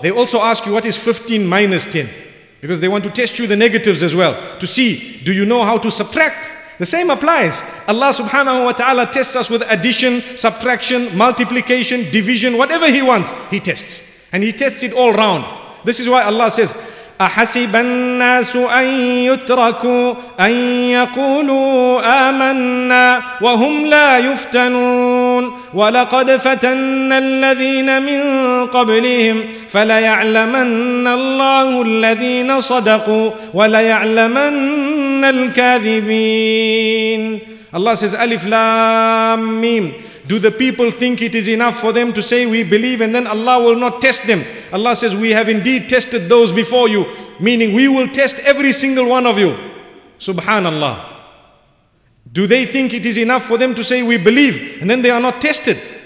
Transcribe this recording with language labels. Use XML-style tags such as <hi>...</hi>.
<en>They also ask you, what is 15 minus 10? Because they want to test you the negatives as well. To see, do you know how to subtract? The same applies. Allah subhanahu wa ta'ala tests us with addition, subtraction, multiplication, division, whatever he wants, he tests. And he tests it all round. This is why Allah says,</en> <ar>أَحَسِبَ النَّاسُ أَن يُتْرَكُوا أَن يَقُولُوا آمَنَّا وَهُمْ لَا يُفْتَنُونَ وَلَقَدْ فَتَنَّ الَّذِينَ مِنْ قَبْلِهِمْ فَلَيَعْلَمَنَّ اللَّهُ الَّذِينَ صَدَقُوا وَلَيَعْلَمَنَّ الْكَاذِبِينَ.</ar> <en>Allah says, Alif Lam Mim. Do the people think it is enough for them to say we believe and then Allah will not test them? Allah says, we have indeed tested those before you. Meaning we will test every single one of you. Subhanallah. Do they think it is enough for them to say we believe and then they are not tested?</en>